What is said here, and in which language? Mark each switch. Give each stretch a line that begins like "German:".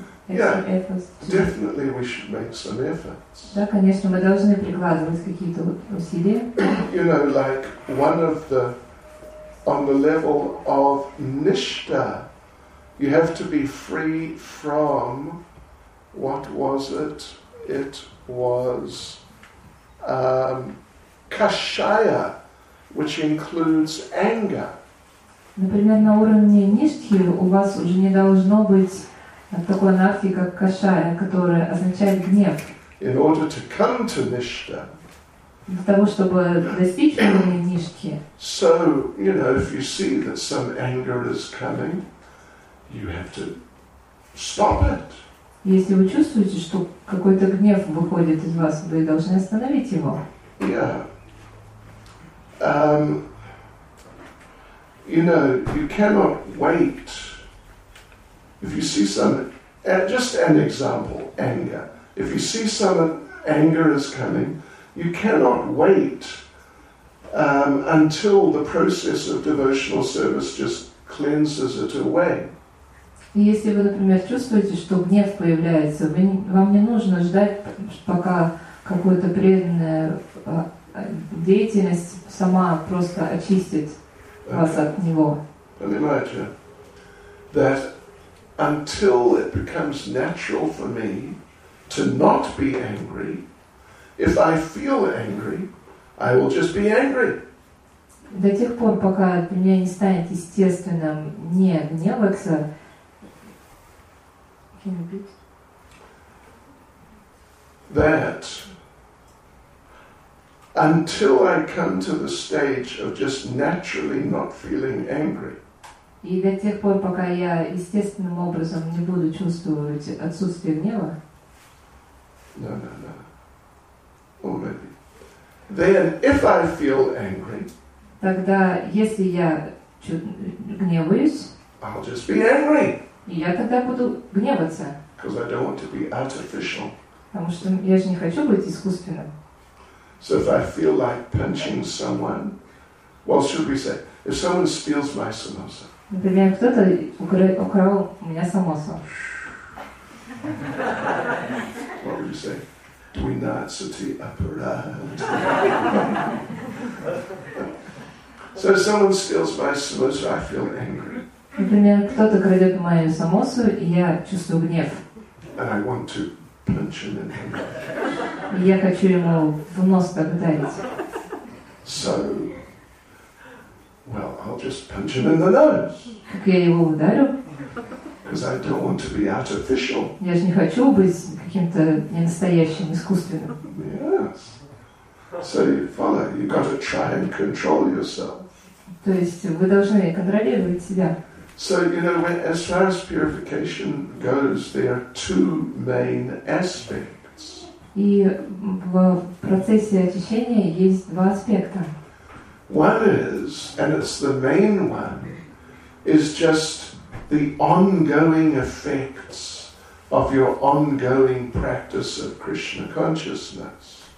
English: Yeah, efforts definitely we should make some efforts.
Russian: Да, конечно, мы должны прикладывать какие-то усилия.
English: You know, like one of the on the level of nishta, you have to be free from what was it? It was kashaya, which includes anger.
Russian: Например, на уровне ништхи у вас уже не должно быть такой анархи, как кашая, которая означает гнев.
English: In order to come to nishta.
Russian: Для того, чтобы достичь уровня ништхи.
English: So, you know, if you see that some anger is coming, you have to stop it.
Russian: Если вы чувствуете, что какой-то гнев выходит из вас, вы должны остановить его.
English: Yeah. You know, you cannot wait. If you see some, just an example, anger. If you see some anger is coming, you cannot wait until the process of devotional service just cleanses it away.
Russian: Если вы, например, чувствуете, что гнев появляется, вам не нужно ждать, пока какое-то преданное деятельность сама просто очистит вас от него.
English: And imagine that until it becomes natural for me to not be angry, if I feel angry, I will just be angry.
Russian: До тех пор, пока у меня не станет естественным не гневаться.
English: Can you repeat? That until I come to the stage of just naturally not feeling angry.
Russian: И до тех пор, пока я естественным образом не буду чувствовать отсутствие гнева.
English: No. Or maybe. Then if I feel angry.
Russian: Тогда если я гневаюсь.
English: I'll just be angry.
Russian: Я тогда буду гневаться.
English: Because I don't want to be artificial.
Russian: Потому что я же не хочу быть искусственным.
English: So if I feel like punching someone, well, should we say, if someone steals my samosa?
Russian: Например, кто-то украл у меня самосу.
English: What would you say?
Russian: Двенадцатый аппарат.
English: So if someone steals my samosa, I feel angry.
Russian: Например, кто-то крадет мою самосу, и я чувствую гнев.
English: And I want to punch him in the head.
Russian: Я хочу ему в нос так ударить.
English: So, well, I'll just punch him in the nose.
Russian: Так я его ударю.
English: Because I don't want to be artificial.
Russian: Я же не хочу быть каким-то ненастоящим, искусственным.
English: Yes. So you follow. You've got to try and control yourself.
Russian: То есть вы должны контролировать себя.
English: So, you know, as far as purification goes, there are two main aspects.
Russian: И в процессе очищения есть два аспекта.
English: One is, and it's the main one, is just the ongoing effects of your ongoing practice of Krishna consciousness.